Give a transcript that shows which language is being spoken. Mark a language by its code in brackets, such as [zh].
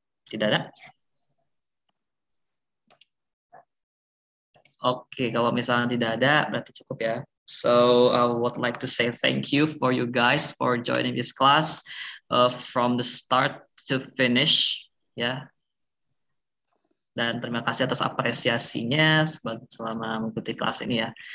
[id] Tidak ada? Oke, kalau misalkan tidak ada, berarti cukup ya. [en] So, I would like to say thank you for you guys for joining this class from the start to finish. [id] Ya, dan terima kasih atas apresiasinya selama mengikuti kelas ini ya.